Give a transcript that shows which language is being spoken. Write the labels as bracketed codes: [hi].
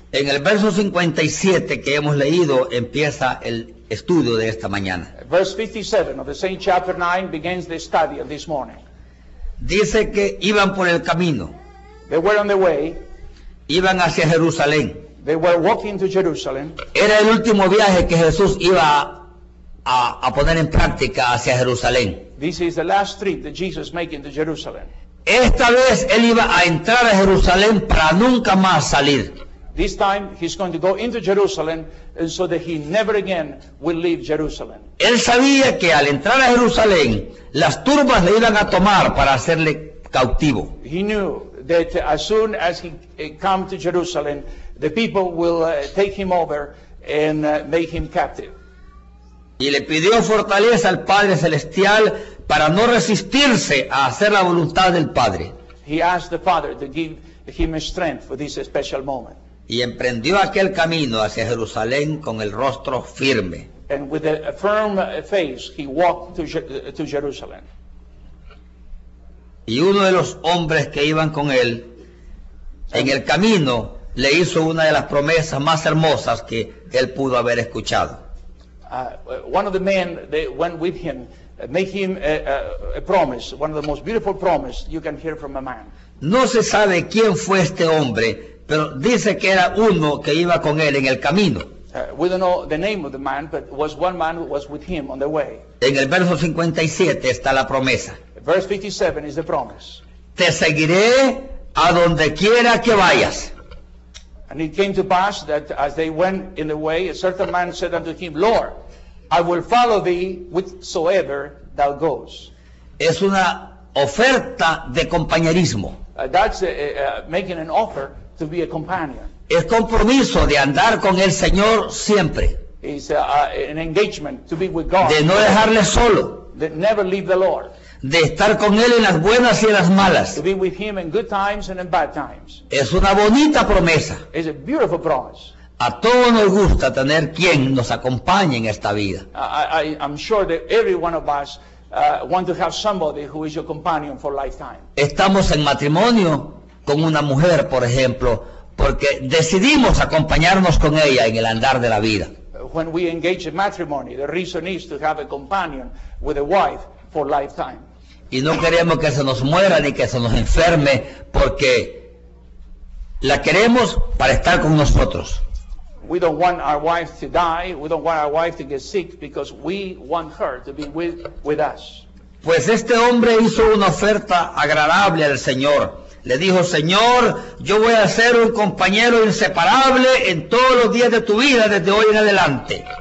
[es] En el verso 57 que hemos leído empieza el estudio de esta mañana. [en] Verse 57 of the same chapter 9 begins the study of this morning. [es] Dice que iban por el camino. [en] They were on the way. [es] Iban hacia Jerusalén. [en] They were walking to Jerusalem. [es] Era el último viaje que Jesús iba a poner en práctica hacia Jerusalén. [en] This is the last trip that Jesus making to Jerusalem. [es] Esta vez él iba a entrar a Jerusalén para nunca más salir. [en] This time he's going to go into Jerusalem so that he never again will leave Jerusalem. [es] Él sabía que al entrar a Jerusalén las turbas le iban a tomar para hacerle cautivo. [en] He knew that as soon as he come to Jerusalem, the people will take him over and make him captive. [es] Y le pidió fortaleza al Padre Celestial para no resistirse a hacer la voluntad del Padre. [en] He asked the Father to give him strength for this special moment. [es] Y emprendió aquel camino hacia Jerusalén con el rostro firme. [en] And with a firm face, he walked to Jerusalem. [es] Y uno de los hombres que iban con él, en el camino, le hizo una de las promesas más hermosas que él pudo haber escuchado. [en] One of the men that went with him made him a promise, one of the most beautiful promises you can hear from a man. [es] No se sabe quién fue este hombre, pero dice que era uno que iba con él en el camino. [en] We don't know the name of the man, but it was one man who was with him on the way. [es] En el verso 57 está la promesa. [en] Verse 57 is the promise. [es] Te seguiré a donde quiera que vayas. [en] And it came to pass that as they went in the way, a certain man said unto him, Lord, I will follow thee whithersoever thou goest. [es] Es una oferta de compañerismo. [en] That's making an offer to be a companion. [es] Es compromiso de andar con el Señor siempre. [en] It's an engagement to be with God. [es] De no dejarle solo. [en] To never leave the Lord. [es] De estar con él en las buenas y en las malas. [en] To be with him in good times and in bad times. [es] Es una bonita promesa. [en] It's a beautiful promise. [es] A todos nos gusta tener quien nos acompañe en esta vida. [en] I'm sure that every one of us want to have somebody who is your companion for lifetime. [es] Estamos en matrimonio con una mujer, por ejemplo, porque decidimos acompañarnos con ella en el andar de la vida. [en] When we engage in matrimony, the reason is to have a companion with a wife for lifetime. [es] Y no queremos que se nos muera ni que se nos enferme porque La queremos para estar con nosotros. [en] We don't want our wife to die. We don't want our wife to get sick because we want her to be with us. [es] Pues este hombre hizo una oferta agradable al Señor. Le dijo, Señor, yo voy a ser un compañero inseparable en todos los días de tu vida desde hoy en adelante.